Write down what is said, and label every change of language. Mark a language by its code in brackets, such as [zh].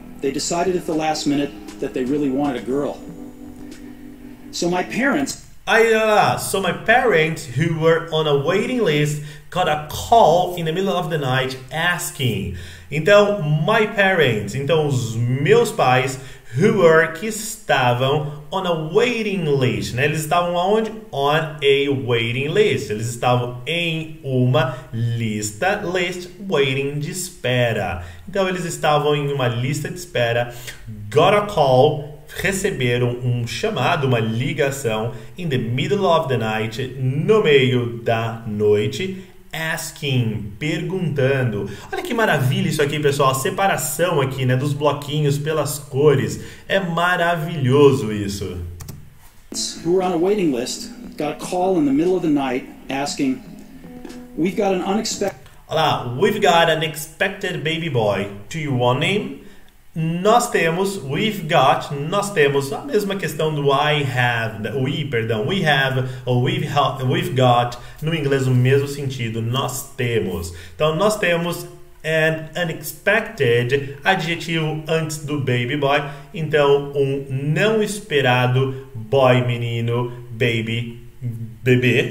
[en] They decided at the last minute that they really wanted a girl. So my parents. So my parents, who were on a waiting list, got a call in the middle of the night asking. [pt] Então, [en] my parents, [pt] então os meus pais, que estavam [en] on a waiting list, [pt] né? Eles estavam onde? [en] On a waiting list. [pt] Eles estavam em uma lista, list, waiting, de espera. Então, eles estavam em uma lista de espera, [en] got a call, [pt] receberam um chamado, uma ligação, [en] in the middle of the night, [pt] no meio da noite, asking, perguntando. Olha que maravilha isso aqui, pessoal. A separação aqui, né, dos bloquinhos pelas cores. É maravilhoso isso. [en] Who were on a waiting list got a call in the middle of the night asking, we've got an unexpected. [pt] Olha lá, [en] we've got an expected baby boy. Do you want him? [pt] Nós temos, [en] we've got, [pt] nós temos a mesma questão do I have, we've got, no inglês o mesmo sentido, nós temos. Então, nós temos [en] an unexpected, [pt] adjetivo antes do baby boy, então um não esperado boy, menino, baby, bebê.